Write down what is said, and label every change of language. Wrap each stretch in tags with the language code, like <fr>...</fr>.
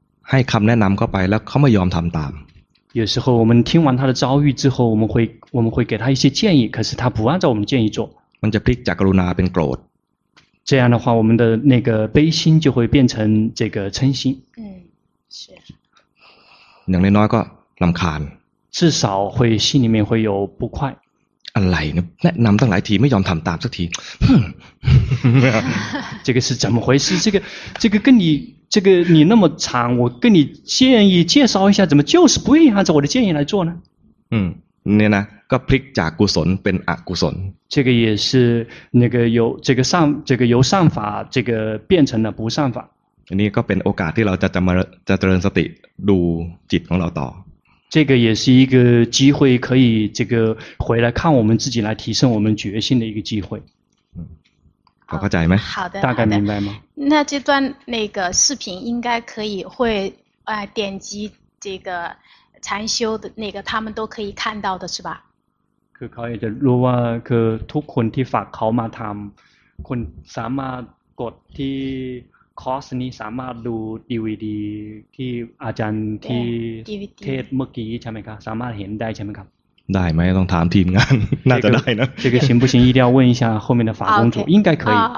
<th>ให้คำแนะนำเข้าไปแล้วเขาไม่ยอมทำตาม</th> <zh>有时候我们听完他的遭遇之后我们会给他一些建议可是他不按照我们建议做</zh> <th>มันจะพลิกจากกรุณาเป็นโกรธ</th> <zh>这样的话我们的那个悲心就会变成这个嗔心</zh> <th>อย่างน้อยก็ลำคาญ</th> <zh>至少会心里面会有不快</zh> <th>อะไรเนี่ยแนะนำตั้งหลายทีไม่ยอมทำตามสักที</th> <zh>这个是怎么回事这个跟你这个你那么长，我跟你建议介绍一下，怎么就是不按照我的建议来做呢？嗯，那个</zh> <th>พลิกจากกุศลเป็นอกุศล</th> <zh>这个也是那个由这个善这个由善法这个变成了不善法。</zh> <th>นี่ก็เป็นโอกาสที่เราจะเจริญสติดูจิตของเราต่อ</th> <zh>这个也是一个机会，可以这个回来看我们自己来提升我们决心的一个机会。好，了解吗？好的，大概明白吗？那这段那个视频应该可以会点击这个禅修的那个，他们都可以看到的，是吧？</zh> <th>คือเขาจะรู้ว่าคือทุกคนที่ฝากเขามาทำคนสามารถกดที่คอร์สนี้สามารถดู DVD ที่อาจารย์ที่ เทศเมื่อกี้ใช่ไหมครับสามารถเห็นได้ใช่ไหมครับ ได้ไหมต้องถามทีมงานน่าจะได้นะ</th> <zh>这个行不行一定要问一下后面的法工组应该可以</zh>